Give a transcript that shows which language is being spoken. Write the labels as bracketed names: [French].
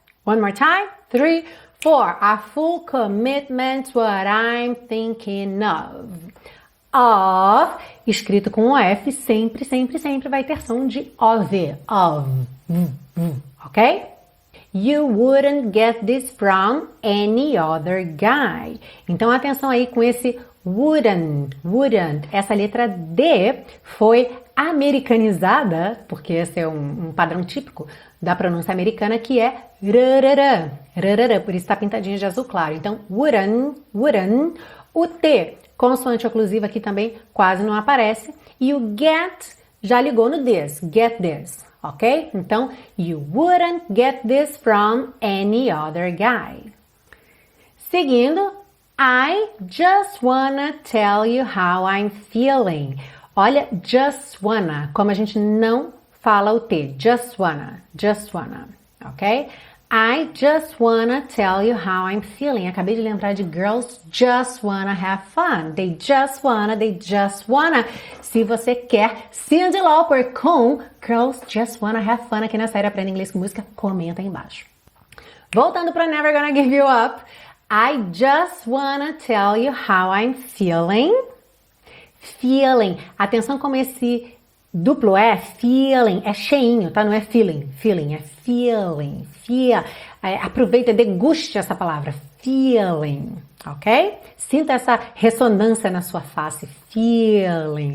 [English] One more time, 3, 4, a full commitment's what I'm thinking of. [Portuguese] Of, escrito com OF, sempre, sempre, sempre vai ter som de OV. Of. Ok? [English] You wouldn't get this from any other guy. [Portuguese] Então, atenção aí com esse wouldn't. Essa letra D foi americanizada, porque esse é um padrão típico da pronúncia americana, que é rrrr, por isso está pintadinha de azul claro. Então, wouldn't. O T, consoante oclusiva aqui também, quase não aparece. E o get, já ligou no this, [English] get this. [Portuguese] Ok? Então, [English] you wouldn't get this from any other guy. [Portuguese] Seguindo, [English] I just wanna tell you how I'm feeling. [Portuguese] Olha, [English] just wanna, [Portuguese] como a gente não fala o T. [English] Just wanna. Ok? I just wanna tell you how I'm feeling. [Portuguese] Acabei de lembrar de [English] girls just wanna have fun. They just wanna. [Portuguese] Se você quer Cyndi Lauper com Girls Just Wanna Have Fun aqui na série Aprenda Inglês com Música, comenta aí embaixo. Voltando para Never Gonna Give You Up. [English] I just wanna tell you how I'm feeling. Feeling. [Portuguese] Atenção como esse duplo é feeling, é cheinho, tá? Não é feeling. Feeling, é feeling. Aproveita, deguste essa palavra. Feeling. Ok? Sinta essa ressonância na sua face. [English] Feeling.